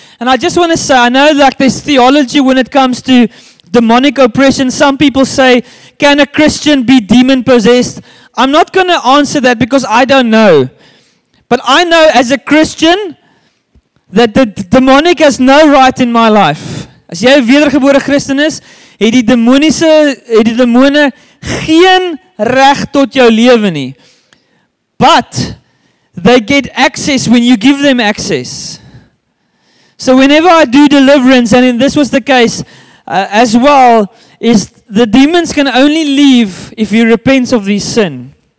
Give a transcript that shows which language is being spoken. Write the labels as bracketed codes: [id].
[en] And I just want to say, I know like there's theology when it comes to demonic oppression. Some people say, can a Christian be demon possessed? I'm not going to answer that because I don't know. But I know as a Christian that the demonic has no right in my life. [af] As jy 'n wedergebore Christen is, het die demone geen reg tot jou lewe nie. [en] But they get access when you give them access. So whenever I do deliverance, and this was the case as well, is the demons can only leave if you repent of this sin.